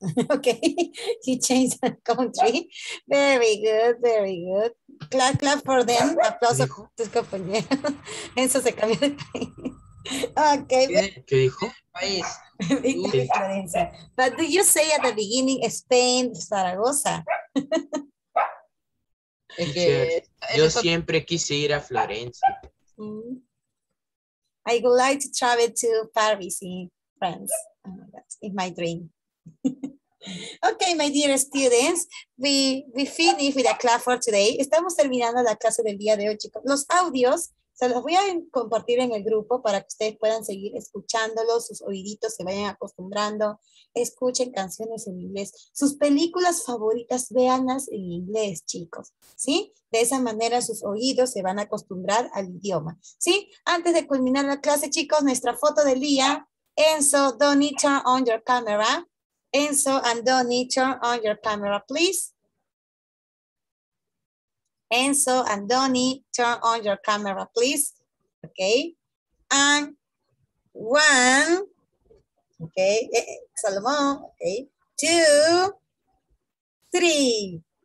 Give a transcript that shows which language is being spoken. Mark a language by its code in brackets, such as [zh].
[en] Okay, he changed the country. Very good, very good. Clap, clap for them. [es] Aplauso a tus compañeros. Enzo se cambió de país. Okay. ¿Qué dijo? País. [en] Italy, Florencia. But did you say at the beginning Spain, Zaragoza? [es] Es que yo siempre quise ir a Florencia. [en] I would like to travel to Paris in France. That's in my dream. Okay, my dear students, we finish with a class for today. [es] Estamos terminando la clase del día de hoy, chicos. Los audios se los voy a compartir en el grupo para que ustedes puedan seguir escuchándolos, sus oíditos se vayan acostumbrando, escuchen canciones en inglés, sus películas favoritas, véanlas en inglés, chicos, ¿sí? De esa manera sus oídos se van a acostumbrar al idioma, ¿sí? Antes de culminar la clase, chicos, nuestra foto del día. [en] Enzo, don't turn on your camera. Enzo and Donnie, turn on your camera, please. Enzo and Donnie, turn on your camera, please. Okay. And one. Okay. Salomón. Okay. Two. Three.